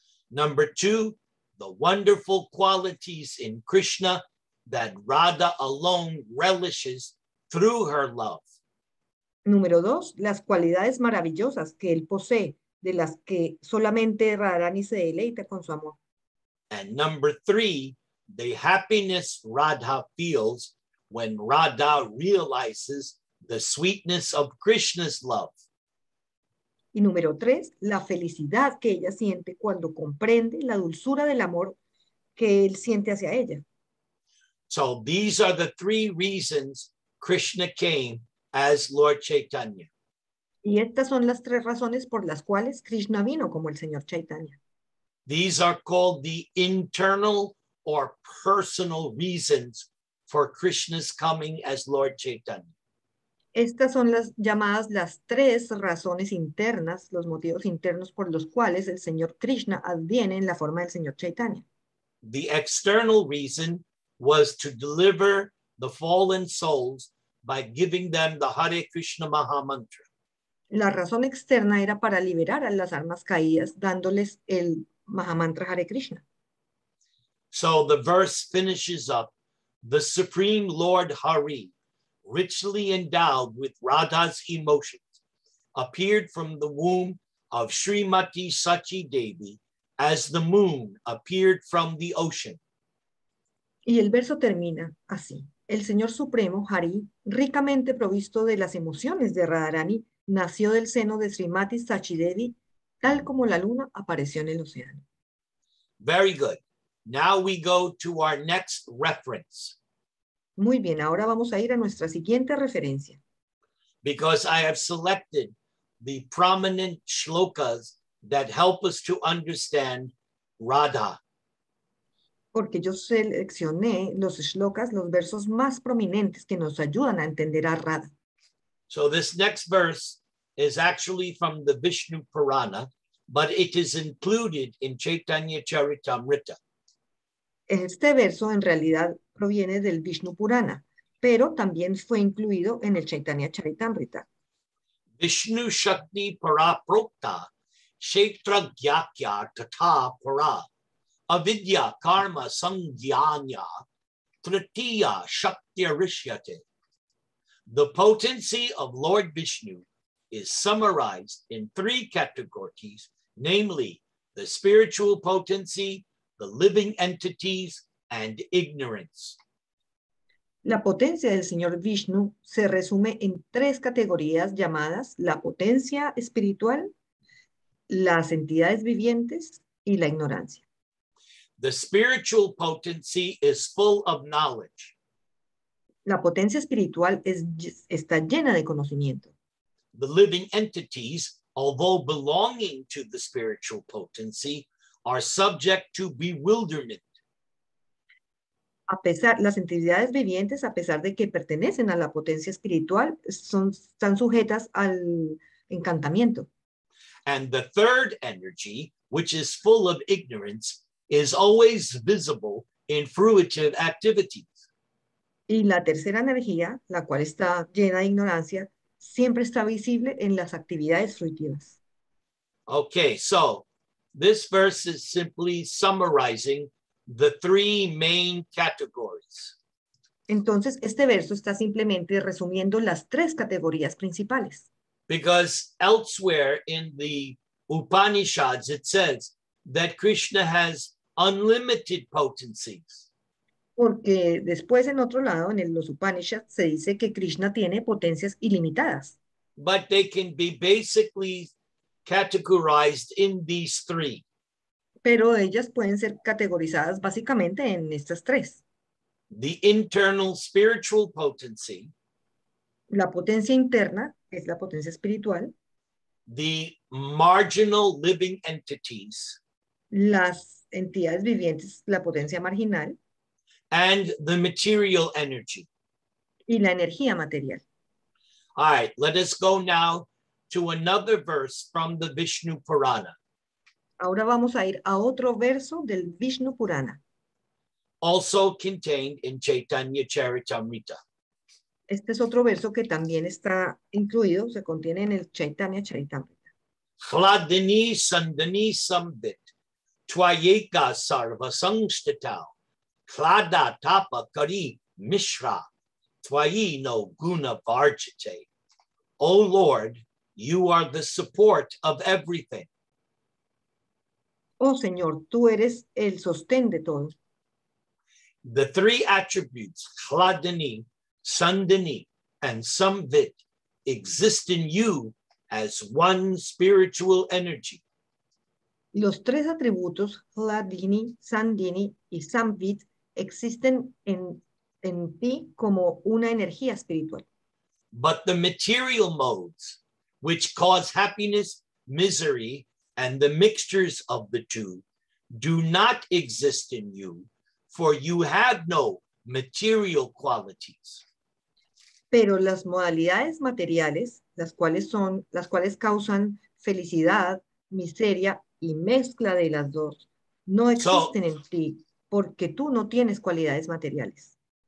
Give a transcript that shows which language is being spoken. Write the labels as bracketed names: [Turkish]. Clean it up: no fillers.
[English] Number two, the wonderful qualities in Krishna that Radha alone relishes through her love. [Spanish] Número dos, las cualidades maravillosas que él posee, de las que solamente Radharani se deleita con su amor. [English] And number three, the happiness Radha feels when Radha realizes the sweetness of Krishna's love. [Spanish] Y número tres, la felicidad que ella siente cuando comprende la dulzura del amor que él siente hacia ella. [English] So these are the three reasons Krishna came as Lord Chaitanya. [Spanish] Y estas son las tres razones por las cuales Krishna vino como el Señor Chaitanya. [English] These are called the internal or personal reasons for Krishna's coming as Lord Chaitanya. [Spanish] Estas son las llamadas las tres razones internas, los motivos internos por los cuales el Señor Krishna adviene en la forma del Señor Chaitanya. [English] The external reason was to deliver the fallen souls by giving them the Hare Krishna Mahamantra. [Spanish] La razón externa era para liberar a las almas caídas dándoles el Mahamantra Hare Krishna. [English] So the verse finishes up, the Supreme Lord Hari, richly endowed with Radha's emotions, appeared from the womb of Srimati Sachi Devi as the moon appeared from the ocean. [Spanish] Y el verso termina así. El Señor Supremo Hari, ricamente provisto de las emociones de Radharani, nació del seno de Srimati Sachi Devi, tal como la luna apareció en el océano. [English] Very good. Now we go to our next reference. [Spanish] Muy bien, ahora vamos a ir a nuestra siguiente referencia. [English] Because I have selected the prominent shlokas that help us to understand Radha. [Spanish] Porque yo seleccioné los shlokas, los versos más prominentes que nos ayudan a entender a Radha. [English] So this next verse is actually from the Vishnu Purana, but it is included in Chaitanya Charitamrita. [Spanish] Este verso en realidad proviene del Vishnu Purana, pero también fue incluido en el Chaitanya Charitamrita. [Sanskrit] Vishnu Shakti Para Prokta Kshetra Gyakya Tata Para Avidya Karma Sangyanya Tritiya Shaktya Rishyate. [English] The potency of Lord Vishnu is summarized in three categories, namely the spiritual potency, the living entities, and ignorance. [Spanish] La potencia del Señor Vishnu se resume en tres categorías llamadas la potencia espiritual, las entidades vivientes, y la ignorancia. [English] The spiritual potency is full of knowledge. [Spanish] La potencia espiritual está llena de conocimiento. [English] The living entities, although belonging to the spiritual potency, are subject to bewilderment. [Spanish] Las entidades vivientes, a pesar de que pertenecen a la potencia espiritual, están sujetas al encantamiento. [English] And the third energy, which is full of ignorance, is always visible in fruitive activities. [Spanish] Y la tercera energía, la cual está llena de ignorancia, siempre está visible en las actividades fruitivas. [English] Okay, so this verse is simply summarizing the three main categories. [Spanish] Entonces, este verso está simplemente resumiendo las tres categorías principales. [English] Because elsewhere in the Upanishads, it says that Krishna has unlimited potencies. [Spanish] Porque después, en otro lado, en los Upanishads, se dice que Krishna tiene potencias ilimitadas. [English] But they can be basically categorized in these three. [Spanish] Pero ellas pueden ser categorizadas básicamente en estas tres. [English] The internal spiritual potency, [Spanish] La potencia interna, que es la potencia espiritual. [English] the marginal living entities, [Spanish] Las entidades vivientes, la potencia marginal. [English] and the material energy. [Spanish] Y la energía material. [English] All right, let us go now to another verse from the Vishnu Purana. [Spanish] Ahora vamos a ir a otro verso del Vishnu Purana. [English] Also contained in Chaitanya Charitamrita. [Spanish] Este es otro verso que también está incluido, se contiene en el Chaitanya Charitamrita. [Sanskrit] Kladini sandani sambit, tvayeka sarva kladatapa kari mishra, no guna varjate. [English] O Lord, you are the support of everything. [Spanish] Oh Señor, tú eres el sostén de todo. [English] The three attributes, Kladini, Sandini, and Samvit, exist in you as one spiritual energy. [Spanish] Los tres atributos, Kladini, Sandini y Samvit, existen en ti como una energía espiritual. [English] But the material modes, which cause happiness, misery, and the mixtures of the two, do not exist in you. For you have no material qualities. [Spanish] Pero las modalidades materiales, las cuales causan felicidad, miseria y mezcla de las dos, no existen [English] So, [Spanish] en ti porque tú no tienes cualidades materiales.